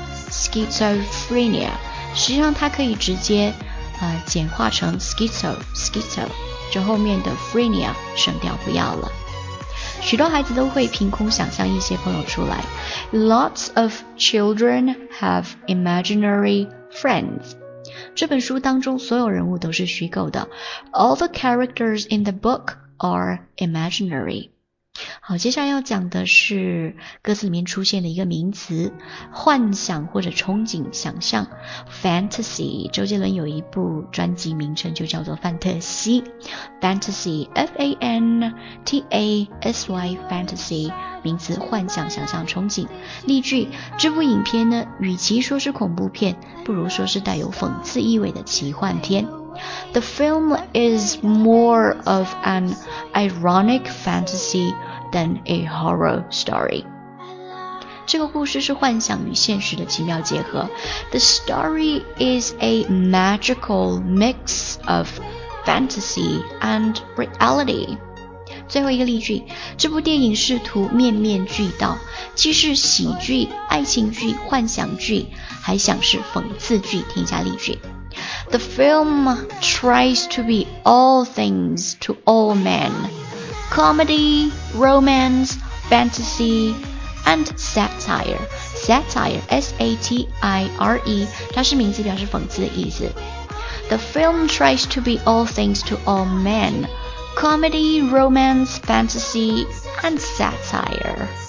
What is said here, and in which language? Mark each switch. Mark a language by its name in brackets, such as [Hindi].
[Chinese] Schizophrenia 实际上它可以直接简化成 schizo 这后面的 phrenia 省掉不要了。许多孩子都会凭空想象一些朋友出来。 [English] Lots of children have imaginary friends. [Chinese] 这本书当中所有人物都是虚构的。 [English] All the characters in the book are imaginary. [Chinese] 好，接下来要讲的是歌词里面出现的一个名词，幻想或者憧憬、想象 ，fantasy。周杰伦有一部专辑名称就叫做《范特西》，fantasy，F-A-N-T-A-S-Y，fantasy， 名词，幻想、想象、憧憬。例句：这部影片呢，与其说是恐怖片，不如说是带有讽刺意味的奇幻片。 [English] The film is more of an ironic fantasy than a horror story. [Chinese] 这个故事是幻想与现实的奇妙结合。 [English] The story is a magical mix of fantasy and reality. [Chinese] 最后一个例句，这部电影试图面面俱到，既是喜剧、爱情剧、幻想剧，还想是讽刺剧。听一下例句。 [English] The film tries to be all things to all men. Comedy, romance, fantasy, and satire. [Chinese] Satire, S-A-T-I-R-E, 它是名词，表示讽刺的意思。 [English] The film tries to be all things to all men. Comedy, romance, fantasy, and satire.